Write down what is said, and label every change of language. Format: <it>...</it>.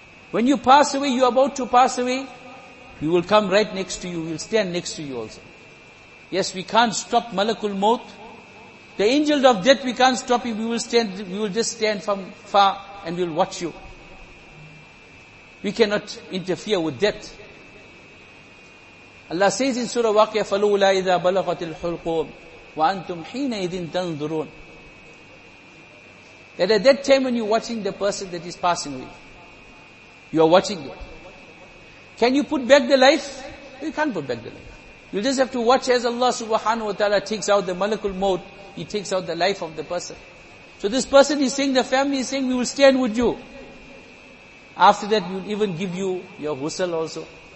<en>When you pass away, you are about to pass away, we will come right next to you. We will stand next to you also. Yes, we can't stop Malakul Maut. The angel of death, we can't stop him. We will just stand from far and we will watch you. We cannot interfere with death. Allah says in Surah Waqiyah,</en> <ar>فَلُوْلَا إِذَا بَلَغَتِ الْحُلْقُومِ وَأَنْتُمْ حِينَ إِذٍ تَنْظُرُونَ.</ar> <en>That at that time when you're watching the person that is passing away, you are watching it. Can you put back the life? You can't put back the life. You just have to watch as Allah subhanahu wa ta'ala takes out the malakul maut, he takes out the life of the person. So this person is saying, the family is saying, we will stand with you. After that, we will even give you your ghusl also.</en>